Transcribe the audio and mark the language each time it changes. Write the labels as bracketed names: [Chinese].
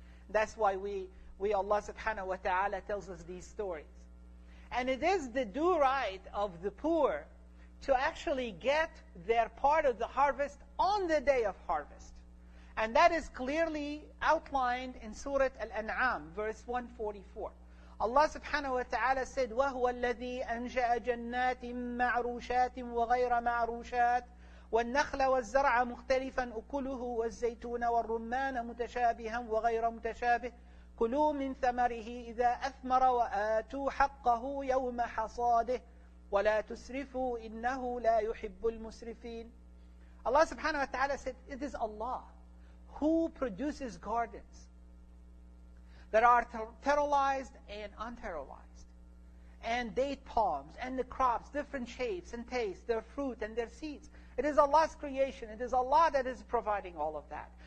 [English] That's why we Allah subhanahu wa ta'ala tells us these stories. And it is the due right of the poor to actually get their part of the harvest on the day of harvest. And that is clearly outlined in Surah Al-An'am, verse 144. Allah subhanahu wa ta'ala said, [Arabic] وَهُوَ الَّذِي أَنْشَأَ جَنَّاتٍ مَعْرُوشَاتٍ وَغَيْرَ مَعْرُوشَاتٍ وَالنَّخْلَ وَالزَّرْعَ مُخْتَلِفًا أُكُلُهُ وَالزَّيْتُونَ وَالرُّمَّانَ مُتَشَابِهًا وَغَيْرَ مُتَشَابِهٍ كُلُوا مِنْ ثَمَرِهِ إِذَا أَثْمَرَ وَآتُوا حَقَّهُ يَوْمَ حَصَادِهِ وَلَا تُسْرِفُوا إِنَّهُ لَا يُحِبُّ الْمُسْرِفِينَ. [English] Allah subhanahu wa ta'ala said, it is Allah who produces gardens that are fertilized and unfertilized, and date palms, and the crops, different shapes and tastes, their fruit and their seeds. It is Allah's creation. It is Allah that is providing all of that.